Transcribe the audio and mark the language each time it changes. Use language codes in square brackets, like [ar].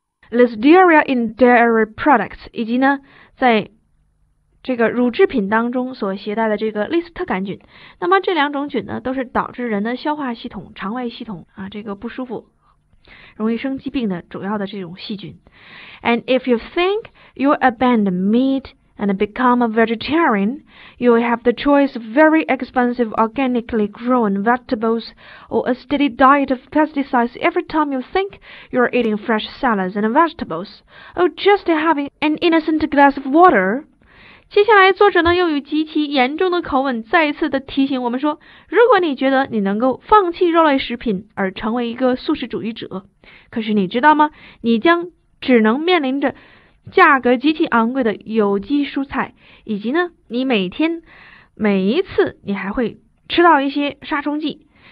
[en] Listeria in dairy products， [zh] 以及呢，在这个乳制品当中所携带的这个利斯特杆菌，那么这两种菌呢，都是导致人的消化系统、肠胃系统这个不舒服、容易生疾病的主要的这种细菌。 [en] And if you think you abandon meat and become a vegetarian, you have the choice of very expensive organically grown vegetables or a steady diet of pesticides every time you think you're eating fresh salads and vegetables, or just having an innocent glass of water. [zh] 接下来，作者呢又以极其严重的口吻再一次的提醒我们说，如果你觉得你能够放弃肉类食品而成为一个素食主义者，可是你知道吗？你将只能面临着价格极其昂贵的有机蔬菜，以及呢，你每天每一次你还会吃到一些杀虫剂。